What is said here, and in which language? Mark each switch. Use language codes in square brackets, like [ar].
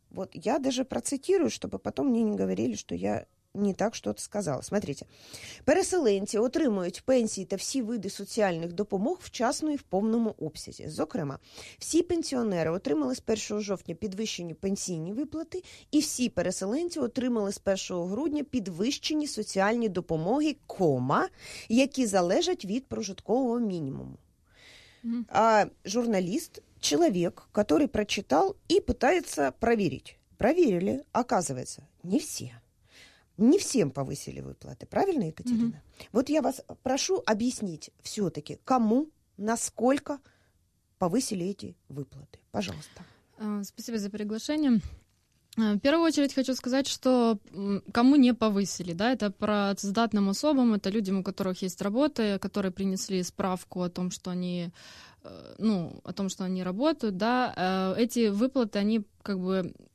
[ru] Вот я даже процитирую, чтобы потом мне не говорили, что я не так что-то сказала. Смотрите. [uk] Переселенці отримують пенсії та всі види соціальних допомог вчасно і в повному обсязі. Зокрема, всі пенсіонери отримали з 1 жовтня підвищені пенсійні виплати, і всі переселенці отримали з 1 грудня підвищені соціальні допомоги, які залежать від прожиткового мінімуму. А журналіст, чоловік, який прочитав і питається перевірити. Перевірили, оказується, не всі. [ru] Не всем повысили выплаты, правильно, Екатерина? Угу. Вот я вас прошу объяснить все-таки, кому, насколько повысили эти выплаты. Пожалуйста. Спасибо за приглашение. В первую очередь хочу сказать, что кому не повысили, да, это працездатным особам, это людям, у которых есть работа, которые принесли справку о том, что они, ну, о том, что они работают, да, эти выплаты, они как бы...